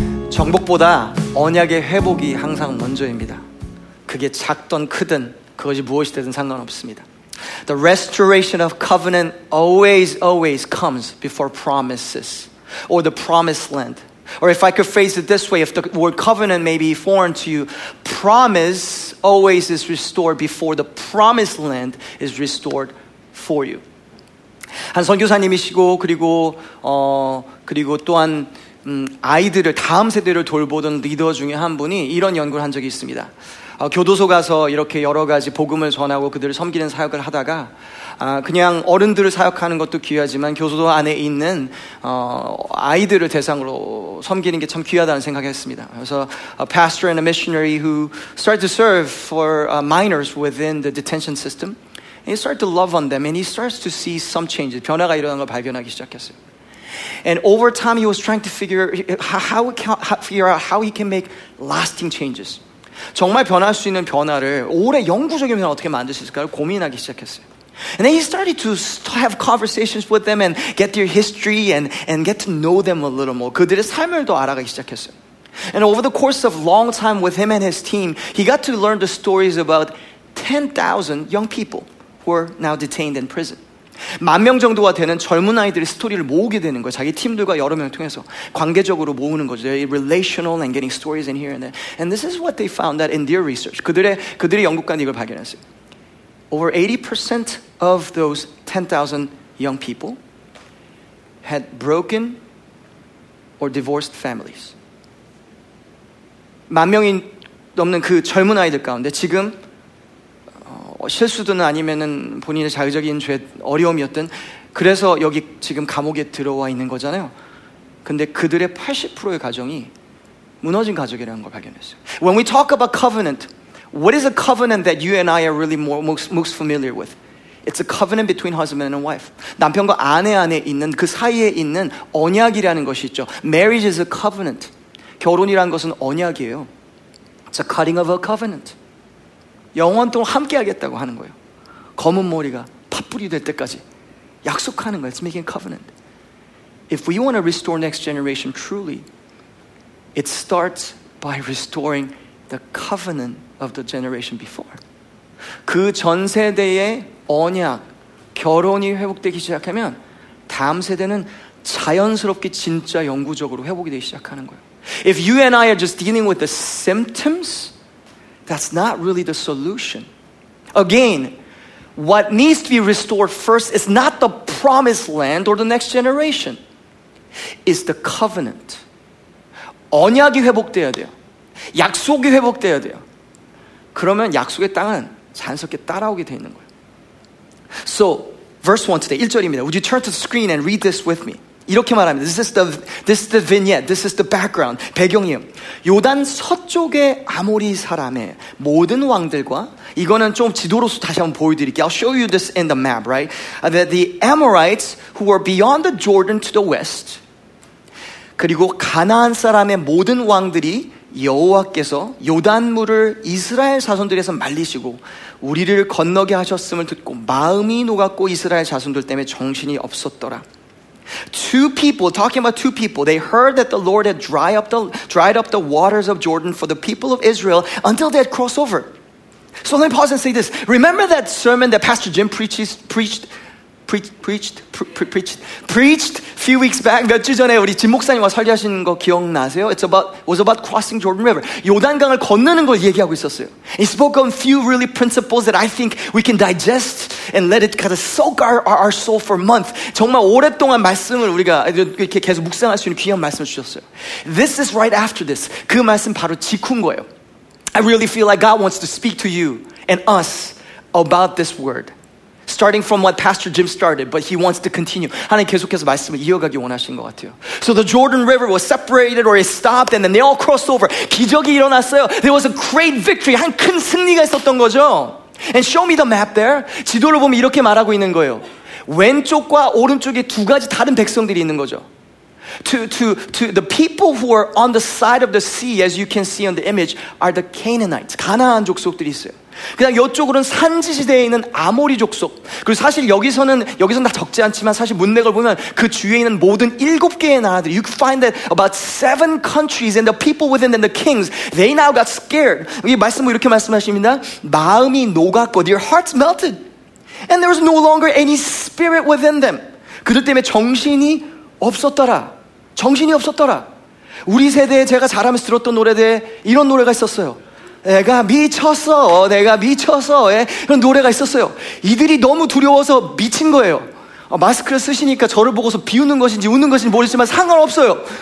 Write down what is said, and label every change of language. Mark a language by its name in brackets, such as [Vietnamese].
[Korean] 정복보다 언약의 회복이 항상 먼저입니다. 그게 작든 크든 그것이 무엇이 되든 상관없습니다. [English] The restoration of covenant always, always comes before promises or the promised land. Or if I could phrase it this way, if the word covenant may be foreign to you, promise always is restored before the promised land is restored for you. [Korean] 한 선교사님이시고 그리고 또한 아이들을 다음 세대를 돌보던 리더 중에 한 분이 이런 연구를 한 적이 있습니다. 교도소 가서 이렇게 여러 가지 복음을 전하고 그들을 섬기는 사역을 하다가 그냥 어른들을 사역하는 것도 귀하지만 교도소 안에 있는 아이들을 대상으로 섬기는 게 참 귀하다는 생각했습니다. 그래서 [English] a pastor and a missionary who started to serve for minors within the detention system. And he started to love on them and he starts to see some changes. [Korean] 변화가 일어난 걸 발견하기 시작했어요. [English] And over time he was trying to figure out how he can make lasting changes. [Korean] 정말 변할 수 있는 변화를 오래 영구적인 변화 어떻게 만들 수 있을까를 고민하기 시작했어요. [English] And then he started to have conversations with them and get their history and get to know them a little more. [Korean] 그들의 삶을 더 알아가기 시작했어요. [English] And over the course of long time with him and his team, he got to learn the stories about 10,000 young people who are now detained in prison. [Korean] 만 명 정도가 되는 젊은 아이들의 스토리를 모으게 되는 거예요. 자기 팀들과 여러 명을 통해서 관계적으로 모으는 거죠. [English] Relational and getting stories in here and there. And this is what they found that in their research. [Korean] 그들의 연구관이 이걸 발견했어요. [English] Over 80% of those 10,000 young people had broken or divorced families. [Korean] 만 명이 넘는 그 젊은 아이들 가운데 지금 실수든 아니면은 본인의 자의적인 죄 어려움이었든 그래서 여기 지금 감옥에 들어와 있는 거잖아요. 근데 그들의 80%의 가정이 무너진 가족이라는 걸 발견했어요. [English] When we talk about covenant, what is a covenant that you and I are really most familiar with? It's a covenant between husband and wife. [Korean] 남편과 아내 안에 있는 그 사이에 있는 언약이라는 것이 있죠. [English] Marriage is a covenant. [Korean] 결혼이라는 것은 언약이에요. [English] It's a cutting of a covenant. [Korean] 영원토록 함께하겠다고 하는 거예요. 검은 머리가 팥불이 될 때까지 약속하는 거예요. [English] It's making a covenant. If we want to restore next generation truly, it starts by restoring the covenant of the generation before. [Korean] 그 전 세대의 언약, 결혼이 회복되기 시작하면 다음 세대는 자연스럽게 진짜 영구적으로 회복이 되기 시작하는 거예요. [English] If you and I are just dealing with the symptoms, that's not really the solution. Again, what needs to be restored first is not the promised land or the next generation. It's the covenant. [Korean] 언약이 회복돼야 돼요. 약속이 회복돼야 돼요. 그러면 약속의 땅은 자연스럽게 따라오게 돼 있는 거예요. [English] So, verse 1 today, [Korean] 1절입니다. [English] Would you turn to the screen and read this with me? [Korean] 이렇게 말합니다. [English] This is the vignette. This is the background. [Korean] 배경이요. 요단 서쪽의 아모리 사람의 모든 왕들과 이거는 좀 지도로서 다시 한번 보여드릴게요. [English] I'll show you this in the map, right? That the Amorites who were beyond the Jordan to the west, [Korean] 그리고 가나안 사람의 모든 왕들이 여호와께서 요단물을 이스라엘 자손들에서 말리시고 우리를 건너게 하셨음을 듣고 마음이 녹았고 이스라엘 자손들 때문에 정신이 없었더라. [English] Two people, talking about two people, they heard that the Lord had dried up the waters of Jordan for the people of Israel until they had crossed over. So let me pause and say this. Remember that sermon that Pastor Jim preached a few weeks back? [Korean] 며칠 전에 우리 진 목사님과 설교하신 거 기억나세요? [English] It was about crossing Jordan River. [Korean] 요단강을 건너는 걸 얘기하고 있었어요. [English] He spoke on a few really principles that I think we can digest and let it kind of soak our soul for a month. [Korean] 정말 오랫동안 말씀을 우리가 이렇게 계속 묵상할 수 있는 귀한 말씀을 주셨어요. [English] This is right after this. [Korean] 그 말씀 바로 직후인 거예요. [English] I really feel like God wants to speak to you and us about this word. Starting from what Pastor Jim started, but he wants to continue. [Korean] 하나님 계속해서 말씀을 이어가기 원하시는 것 같아요. [English] So the Jordan River was separated or it stopped and then they all crossed over. [Korean] 기적이 일어났어요. [English] There was a great victory. [Korean] 한 큰 승리가 있었던 거죠. [English] And show me the map there. [Korean] 지도를 보면 이렇게 말하고 있는 거예요. 왼쪽과 오른쪽에 두 가지 다른 백성들이 있는 거죠. [English] To the people who are on the side of the sea, as you can see on the image, are the Canaanites. [Korean] 가나안 족속들이 있어요. 그냥 이쪽으로는 산지지대에 있는 아모리 족속. 그리고 사실 여기서는 다 적지 않지만 사실 문맥을 보면 그 주위에 있는 모든 일곱 개의 나라들. [English] You find that about seven countries and the people within them, the kings, they now got scared. [Korean] 이 말씀을 이렇게 말씀하십니다. 마음이 녹았고, [English] their hearts melted. And there was no longer any spirit within them. [Korean] 그들 때문에 정신이 없었더라. 정신이 없었더라. 우리 세대에 제가 자라면서 들었던 노래 대해 이런 노래가 있었어요. 내가 미쳤어, 내가 미쳤어, 그런 노래가 있었어요. 이들이 너무 두려워서 미친 거예요. 마스크를 쓰시니까 저를 보고서 비웃는 것인지 웃는 것인지 모르지만 상관없어요.